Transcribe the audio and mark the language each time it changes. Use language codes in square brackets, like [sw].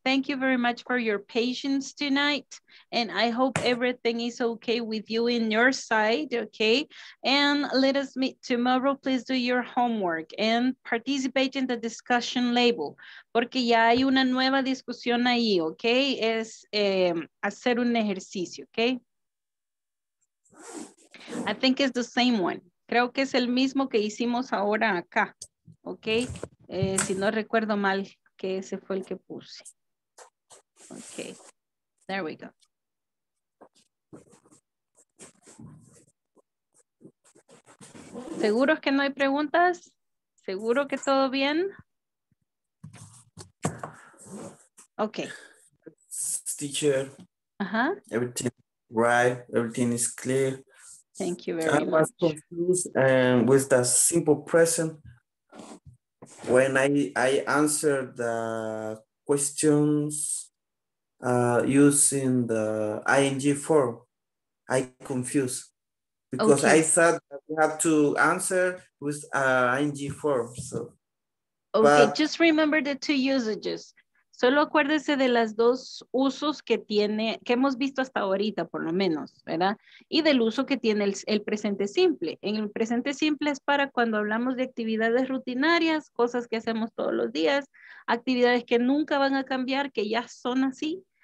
[en] Thank you very much for your patience tonight. And I hope everything is okay with you in your side, okay? And let us meet tomorrow. Please do your homework and participate in the discussion label. [es] Porque ya hay una nueva discusión ahí, okay? Es hacer un ejercicio, okay? [en] I think it's the same one. [es] Creo que es el mismo que hicimos ahora acá, okay? Si no recuerdo mal, que ese fue el que puse. [en] Okay, there we go. [es] ¿Seguro que no hay preguntas? ¿Seguro que todo bien? [en] Okay. Teacher. Uh-huh. Everything right, everything is clear. Thank you very much. I was confused and with the simple present. When I answered the questions using the ing form, I confused. Because okay. I thought that we have to answer with ing form. So, okay, but just remember the two usages. [es] Solo acuérdese de los dos usos que tiene, que hemos visto hasta ahorita, por lo menos, ¿verdad? Y del uso que tiene el presente simple. En el presente simple es para cuando hablamos de actividades rutinarias, cosas que hacemos todos los días, actividades que nunca van a cambiar, que ya son así.